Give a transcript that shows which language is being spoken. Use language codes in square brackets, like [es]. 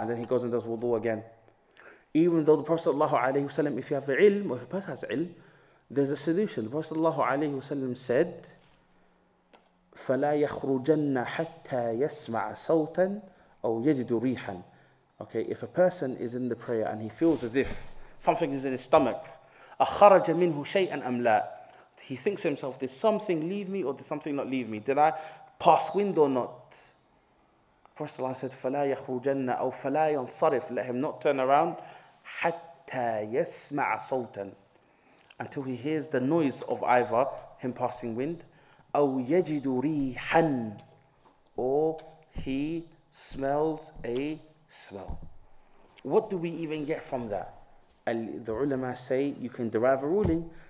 [en] And then he goes and does wudu again. Even though the Prophet ﷺ, if you have ilm, or if a person has ilm, there's a solution. The Prophet ﷺ said, [ar] فَلَا يَخْرُجَنَّ حَتَّى يَسْمَعَ سَوْتًا أَوْ يَجِدُ رِيحًا. [en] Okay, if a person is in the prayer and he feels as if something is in his stomach, [ar] أَخَرَجَ مِنْهُ شَيْئًا أَمْ لَا. [en] He thinks to himself, did something leave me or did something not leave me? Did I pass wind or not? First Allah said, [ar] فَلَا يَخْرُجَنَّ أَوْ فَلَا يَنْصَرِفْ. [en] Let him not turn around. [ar] حَتَّى يَسْمَعَ صَوْتًا. [en] Until he hears the noise of either him passing wind, [ar] أَوْ يَجِدُ رِيحًا. [en] Or he smells a smell. What do we even get from that? The ulama say, you can derive a ruling.